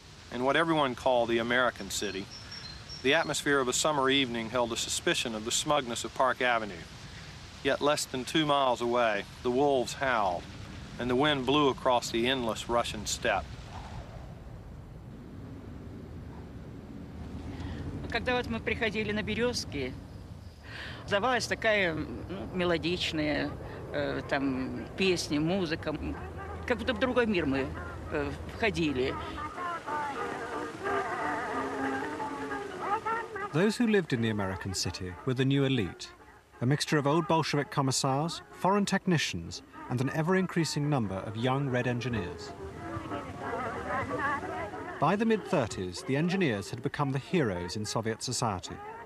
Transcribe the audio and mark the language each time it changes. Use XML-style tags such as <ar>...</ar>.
<en>And what everyone called the American city, the atmosphere of a summer evening held a suspicion of the smugness of Park Avenue. Yet less than 2 miles away, the wolves howled, and the wind blew across the endless Russian steppe.</en> <ru>Когда вот мы приходили на Березки, завалась такая мелодичная там песни, музыка, как будто в другой мир мы входили.</ru> <en>Those who lived in the American city were the new elite, a mixture of old Bolshevik commissars, foreign technicians, and an ever-increasing number of young red engineers. By the mid-30s, the engineers had become the heroes in Soviet society.</en>